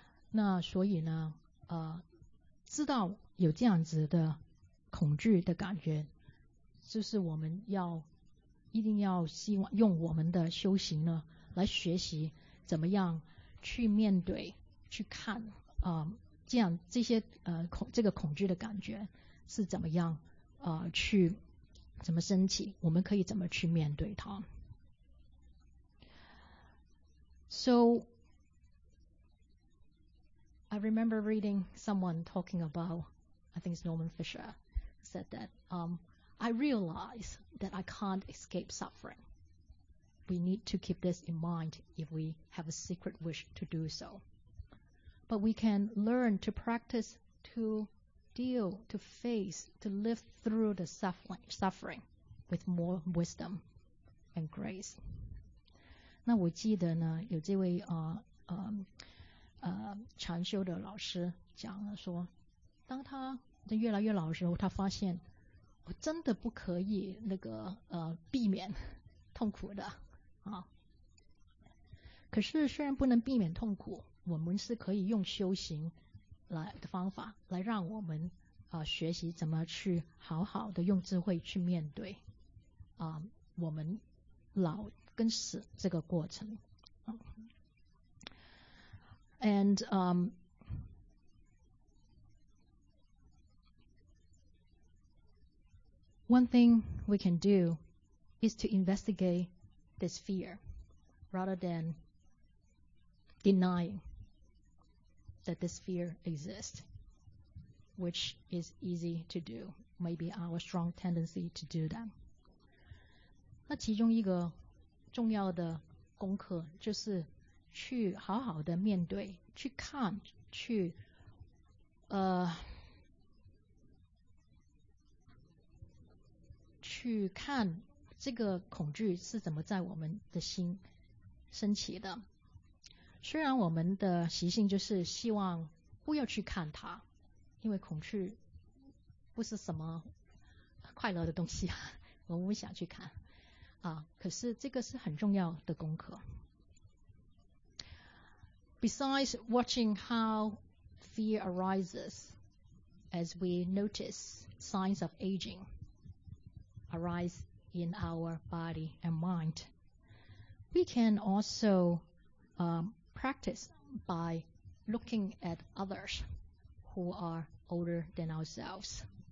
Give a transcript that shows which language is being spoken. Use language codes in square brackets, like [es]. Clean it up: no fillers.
[zh] 那所以呢知道有这样子的恐惧的感觉，就是我们要一定要希望用我们的修行呢来学习怎么样去面对去看这个恐惧的感觉是怎么样去怎么升起，我们可以怎么去面对它。 [en] So I remember reading someone talking about I think it's Norman Fisher said thatI realize that I can't escape suffering. We need to keep this in mind if we have a secret wish to do so. But we can learn to practice to deal, to face, to live through the suffering with more wisdom and grace. [zh] 那我记得呢，有这位禅修的老师讲了说，当他越来越老的时候，他发现我真的不可以那个避免痛苦的啊。可是虽然不能避免痛苦，我们是可以用修行来的方法来让我们学习怎么去好好的用智慧去面对我们老跟死这个过程。 [en] And one thing we can do is to investigate this fear rather than denying that this fear exists, which is easy to do, maybe our strong tendency to do that. [zh] 那其中一个重要的功课就是去好好的面对，去看，去去看这个恐惧是怎么在我们的心升起的。虽然我们的习性就是希望不要去看它，因为恐惧不是什么快乐的东西，我们不想去看啊。可是这个是很重要的功课。 [en] Besides watching how fear arises as we notice signs of aging arise in our body and mind, we can also practice by looking at others who are older than ourselves.